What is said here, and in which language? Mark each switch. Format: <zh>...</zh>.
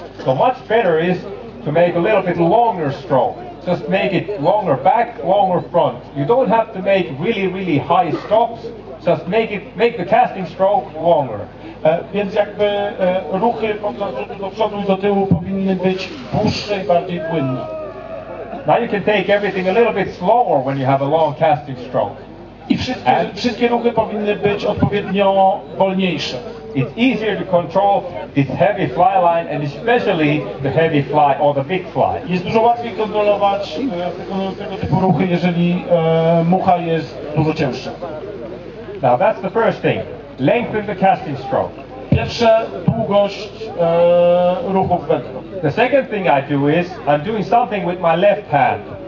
<en>So much better is to make a little bit longer stroke. Just make it longer back, longer front. You don't have to make really, really high strokes. Just make the casting stroke longer.</en> <pl>Więc jakby ruchy do przodu i do tyłu powinny być dłuższe i bardziej płynne.</pl> <en>Now you can take everything a little bit slower when you have a long casting stroke.</en> <pl>I wszystkie ruchy powinny być odpowiednio wolniejsze.</pl> <en>It's easier to control this heavy fly line and especially the heavy fly or the big fly.</en> <pl>Jest dużo łatwiej kontrolować tego typu ruchy, jeżeli mucha jest dużo cięższa.</pl> <en>Now that's the first thing. Lengthen the casting stroke.</en> <pl>Pierwsze, długość ruchów wędką.</pl> <en>The second thing I do is I'm doing something with my left hand.</en>